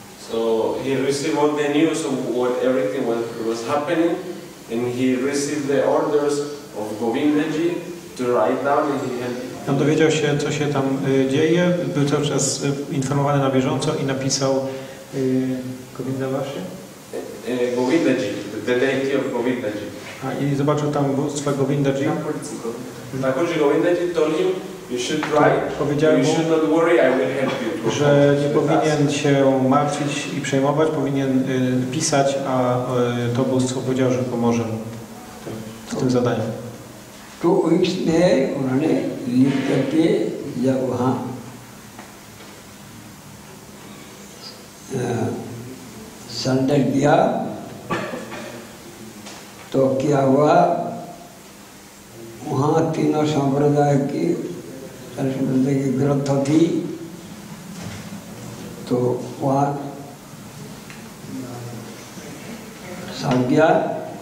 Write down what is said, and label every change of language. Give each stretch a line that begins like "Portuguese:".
English: So he received all the news of what everything was happening and he received the orders of Govindaji to write down and he had.
Polish: On dowiedział się, co się tam dzieje, był cały czas informowany na bieżąco i napisał Govinda Vashi?
English: Govindaji, the deity of Govindaji.
Polish: A i zobaczył tam bóstwa Govindaji. Na końcu
English: Govindaji told him, you should write,
Polish: powiedział
English: you should not worry, I will help you.
Polish: Że nie powinien się martwić i przejmować, powinien pisać, a to bóstwo powiedział, że pomoże w tym zadaniu.
English: 2 weeks
Hindi: में उन्होंने लिख करके जब वहाँ संदेश दिया तो क्या हुआ वहाँ तीनों संप्रदाय की संप्रदाय की ग्रंथ थी तो वहाँ सब गया.